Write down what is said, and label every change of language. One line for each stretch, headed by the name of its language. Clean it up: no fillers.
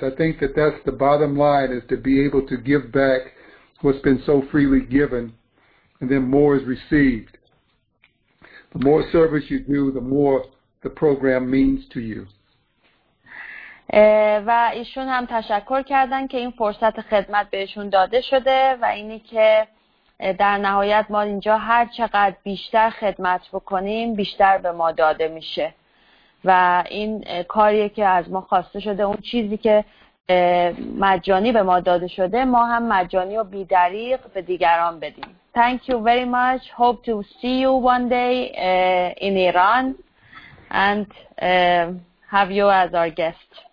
English: I think that that's the bottom line, is to be able to give back what's been so freely given, and then more is received. The more service you do, the more the program means to you.
Persian: و ایشون هم تشکر کردن که این فرصت خدمت بهشون داده شده و اینی که در نهایت ما اینجا هر چقدر بیشتر خدمت بکنیم بیشتر به ما داده میشه و این کاریه که از ما خواسته شده. اون چیزی که مجانی به ما داده شده ما هم مجانی و بی دریغ به دیگران بدیم.
English: Thank you very much. Hope to see you one day in Iran and have you as our guest.